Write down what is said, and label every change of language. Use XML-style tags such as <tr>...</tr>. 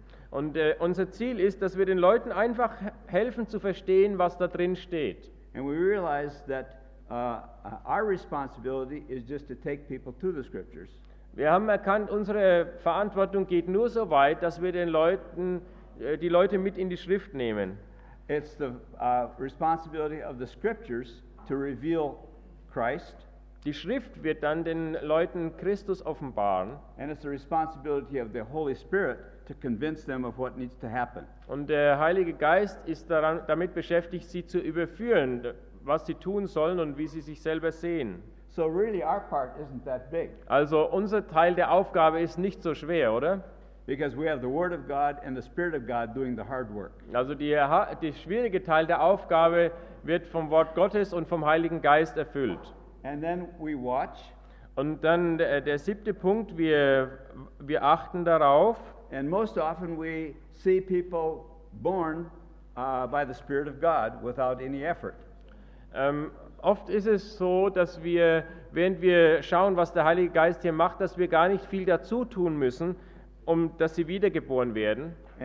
<de>Und unser Ziel ist, dass wir den Leuten einfach helfen zu verstehen, was da drin steht.</de> <en>And we realize that our responsibility is just to take people to the scriptures.</en> <de>Wir haben erkannt, unsere Verantwortung geht nur so weit, dass wir den Leuten die Leute mit in die Schrift nehmen.</de> <en>It's the responsibility of the scriptures to reveal Christ.</en> <de>Die Schrift wird dann den Leuten Christus offenbaren.</de> <en>And it's the responsibility of the Holy Spirit to convince them of what needs to happen.</en> <de>Und der Heilige Geist ist daran damit beschäftigt, sie zu überführen, was sie tun sollen und wie sie sich selber sehen.</de> <en>So really our part isn't that big.</en> <de>Also unser Teil der Aufgabe ist nicht so schwer, oder?</de> <en>Because we have the Word of God and the Spirit of God doing the hard work.</en> <de>Also die schwierige Teil der Aufgabe wird vom Wort Gottes und vom Heiligen Geist erfüllt.</de> <en>And then we watch.</en> <de>Und dann der siebte Punkt, wir achten darauf.</de> <en>And most often we see people born by the Spirit of God without any effort.</en> <de>Oft ist es so, dass wir, während wir schauen, was der Heilige Geist hier macht, dass wir gar nicht viel dazu tun müssen, um dass sie wiedergeboren werden.</de>